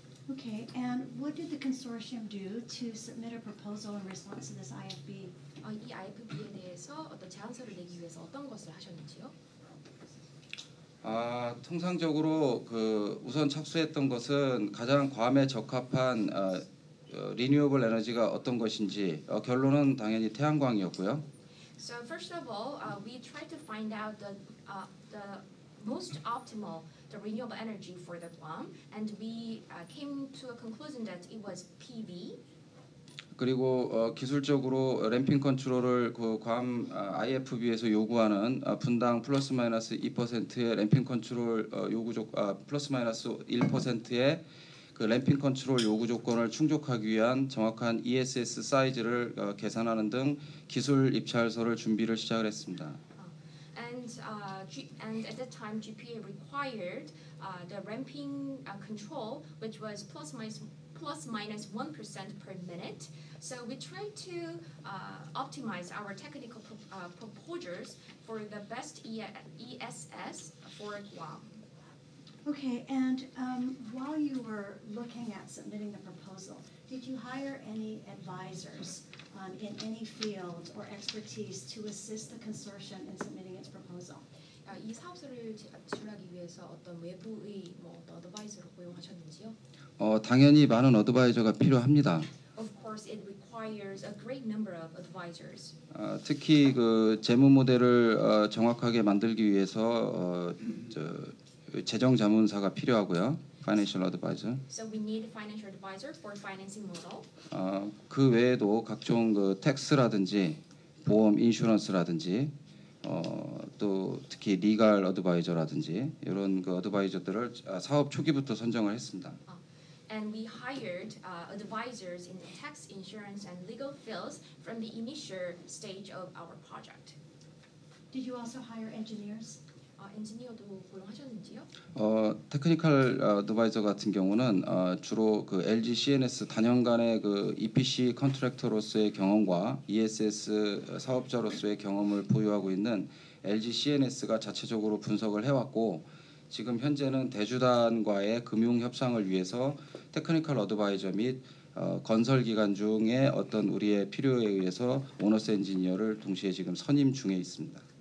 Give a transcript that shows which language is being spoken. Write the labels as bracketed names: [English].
[English] Okay, and what did the consortium do to submit a proposal in response to this IFB? [Korean] 이 IFB에 대해서 어떤 제안서를 내기 위해서 어떤 것을 하셨는지요? 통상적으로 그 우선 착수했던 것은 가장 괌에 적합한 리뉴어블 에너지가 어떤 것인지 결론은 당연히 태양광이었고요. [English] So first of all, we tried to find out the most optimal the renewable energy for the Guam, and we came to a conclusion that it was PV. [Korean] 그리고 기술적으로 램핑 컨트롤을 그 괌 IFB에서 요구하는 분당 플러스 마이너스 2%의 램핑 컨트롤 플러스 마이너스 1%의 그 램핑 컨트롤 요구 조건을 충족하기 위한 정확한 ESS 사이즈를 계산하는 등 기술 입찰서를 준비를 시작을 했습니다. [English] And at that time, GPA required the ramping control, which was plus minus 1% per minute. So we tried to optimize our technical proposals for the best ESS for Guam. Okay, and while you were looking at submitting the proposal, did you hire any advisors in any field or expertise to assist the consortium in submitting its proposal? [Korean] 이 사업서를 제출하기 위해서 어떤 외부의 뭐 어떤 어드바이저를 고용하셨는지요? 당연히 많은 어드바이저가 필요합니다. [English] Of course, it requires a great number of advisors. [Korean] 특히 그 재무 모델을 정확하게 만들기 위해서 재정 자문사가 필요하고요. [English] Financial advisor. So we need a financial advisor for financing model. [Korean] 그 외에도 각종 그 텍스라든지 보험 인슈런스라든지 또 특히 리갈 어드바이저라든지 이런 그 어드바이저들을 사업 초기부터 선정을 했습니다. [English] And we hired advisors in the tax, insurance and legal fields from the initial stage of our project. Did you also hire engineers? [Korean] 엔지니어도 고용하셨는지요? 테크니컬 어드바이저 같은 경우는 주로 그 LGCNS 단연간의 그 EPC 컨트랙터로서의 경험과 ESS 사업자로서의 경험을 보유하고 있는 LGCNS가 자체적으로 분석을 해왔고 지금 현재는 대주단과의 금융 협상을 위해서 테크니컬 어드바이저 및 건설 기간 중에 어떤 우리의 필요에 의해서 오너스 엔지니어를 동시에 지금 선임 중에 있습니다.